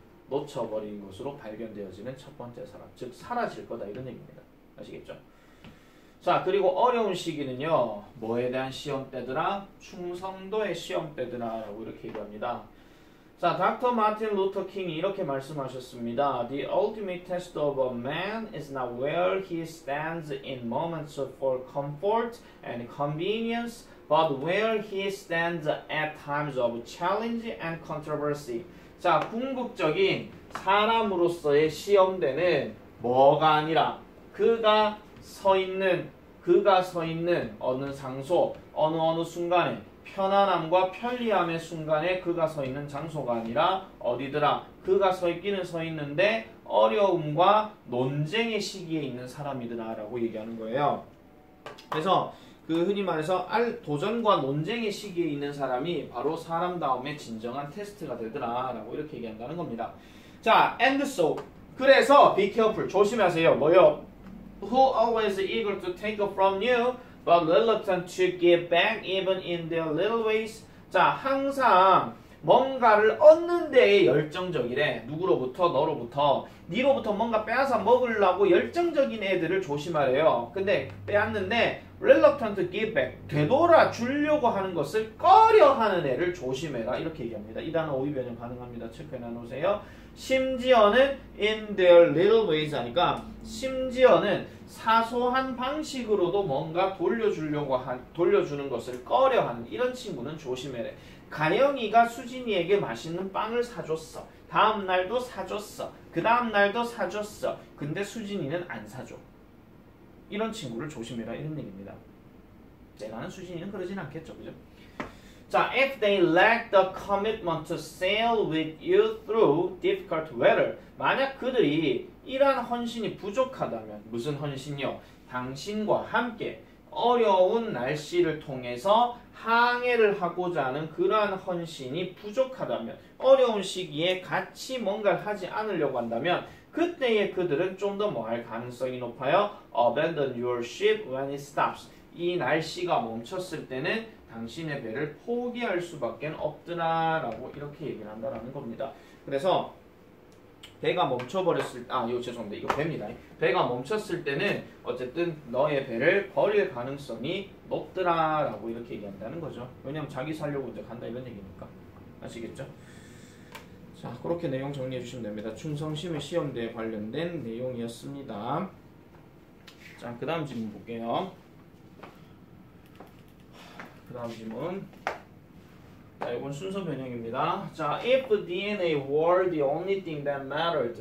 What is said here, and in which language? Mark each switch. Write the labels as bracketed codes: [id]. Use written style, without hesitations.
[ko] 놓쳐버린 것으로 발견되어지는 첫 번째 사람, 즉 사라질 거다 이런 얘기입니다. 아시겠죠? 자, 그리고 어려운 시기는요, 뭐에 대한 시험 때더라? 충성도의 시험 때더라 라고 이렇게 얘기합니다. 자, 닥터 마틴 루터 킹이 이렇게 말씀하셨습니다. [en] The ultimate test of a man is not where he stands in moments for comfort and convenience, but where he stands at times of challenge and controversy. [ko] 자, 궁극적인 사람으로서의 시험대는 뭐가 아니라 그가 서 있는, 그가 서 있는 어느 장소, 어느 순간에 편안함과 편리함의 순간에 그가 서 있는 장소가 아니라 어디더라? 그가 서 있기는 서 있는데 어려움과 논쟁의 시기에 있는 사람이더라 라고 얘기하는 거예요. 그래서 그 흔히 말해서 도전과 논쟁의 시기에 있는 사람이 바로 사람 다음에 진정한 테스트가 되더라 라고 이렇게 얘기한다는 겁니다. 자, [en] and so, [ko] 그래서 [en] be careful, [ko] 조심하세요. 뭐요? [en] Who always eager to take from you but reluctant to give back even in their little ways. [ko] 자, 항상 뭔가를 얻는 데에 열정적이래. 누구로부터? 너로부터. 니로부터 뭔가 빼앗아 먹으려고 열정적인 애들을 조심하래요. 근데 빼앗는데 [en] reluctant to give back, [ko] 되돌아 주려고 하는 것을 꺼려하는 애를 조심해라 이렇게 얘기합니다. 이 단어 오이 변형 가능합니다. 체크해 놔놓으세요. 심지어는 [en] in their little ways [ko] 하니까 심지어는 사소한 방식으로도 뭔가 돌려주려고 돌려주는 것을 꺼려하는 이런 친구는 조심해라. 가영이가 수진이에게 맛있는 빵을 사줬어. 다음날도 사줬어. 그 다음날도 사줬어. 근데 수진이는 안 사줘. 이런 친구를 조심해라 이런 얘기입니다. 내가 아는 수진이는 그러진 않겠죠. 그죠? 자, [en] if they lack the commitment to sail with you through difficult weather. [ko] 만약 그들이 이러한 헌신이 부족하다면, 무슨 헌신이요? 당신과 함께 어려운 날씨를 통해서 항해를 하고자 하는 그러한 헌신이 부족하다면, 어려운 시기에 같이 뭔가를 하지 않으려고 한다면, 그때의 그들은 좀 더 뭐 할 가능성이 높아요. [en] Abandon your ship when it stops. [ko] 이 날씨가 멈췄을 때는 당신의 배를 포기할 수밖에 없더라 라고 이렇게 얘기를 한다라는 겁니다. 그래서 배가 멈춰버렸을 때, 아 이거 죄송합니다. 이거 배입니다. 배가 멈췄을 때는 어쨌든 너의 배를 버릴 가능성이 높더라 라고 이렇게 얘기한다는 거죠. 왜냐면 자기 살려고 이제 간다 이런 얘기니까. 아시겠죠? 자, 그렇게 내용 정리해 주시면 됩니다. 충성심의 시험대에 관련된 내용이었습니다. 자, 그 다음 질문 볼게요. 그 다음 질문. 자, 이건 순서 변형입니다. 자, [en] if DNA were the only thing that mattered.